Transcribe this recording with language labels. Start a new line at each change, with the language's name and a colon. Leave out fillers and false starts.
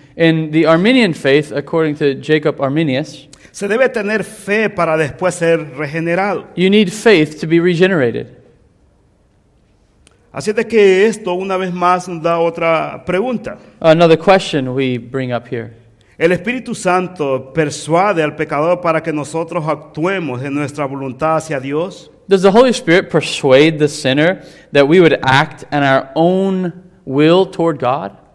English: in the Arminian faith, according to Jacob Arminius,
Spanish: se debe tener fe para después ser regenerado.
English: You need faith to be regenerated.
Spanish: Así de que esto una vez más nos da otra pregunta.
English: Another question we bring up here.
Spanish: El Espíritu Santo persuade al pecador para que nosotros actuemos en nuestra voluntad hacia Dios.
English: Does the Holy Spirit persuade the sinner that we would act in our own will toward God?